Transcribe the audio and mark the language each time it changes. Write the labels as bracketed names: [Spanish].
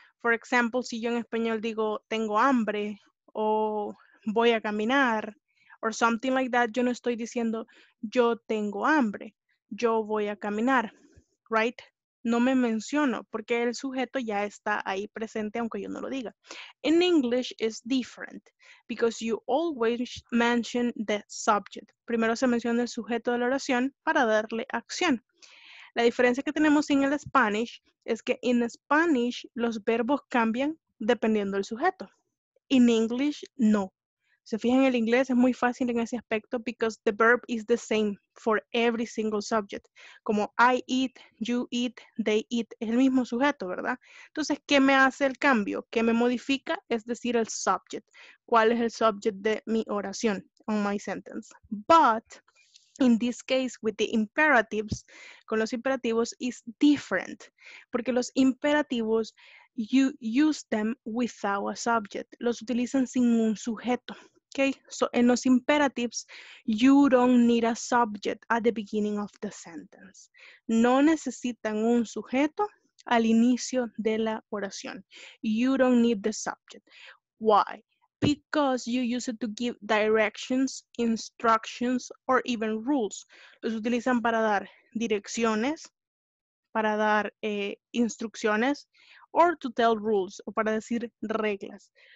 [English] For example, [Spanish] si yo en español digo tengo hambre o voy a caminar [English] or something like that, [Spanish] yo no estoy diciendo yo tengo hambre, yo voy a caminar, right? No me menciono porque el sujeto ya está ahí presente aunque yo no lo diga. [English] In English is different because you always mention the subject. [Spanish] Primero se menciona el sujeto de la oración para darle acción. La diferencia que tenemos en el Spanish es que [English] in Spanish [Spanish] los verbos cambian dependiendo del sujeto. [English] In English, no. [Spanish] Se fijan, en el inglés es muy fácil en ese aspecto [English] because the verb is the same for every single subject. [Spanish] Como [English] I eat, you eat, they eat, [Spanish] es el mismo sujeto, ¿verdad? Entonces, ¿qué me hace el cambio? ¿Qué me modifica? Es decir, el subject. ¿Cuál es el subject de mi oración? [English] On my sentence. But in this case, with the imperatives, [Spanish] con los imperativos, [English] is different. [Spanish] Porque los imperativos, [English] you use them without a subject. [Spanish] Los utilizan sin un sujeto. [English] Okay? So, en los imperatives, you don't need a subject at the beginning of the sentence. [Spanish] No necesitan un sujeto al inicio de la oración. [English] You don't need the subject. Why? Because you use it to give directions, instructions, or even rules. [Spanish] Los utilizan para dar direcciones, para dar instrucciones, [English] or to tell rules, [Spanish] o para decir reglas.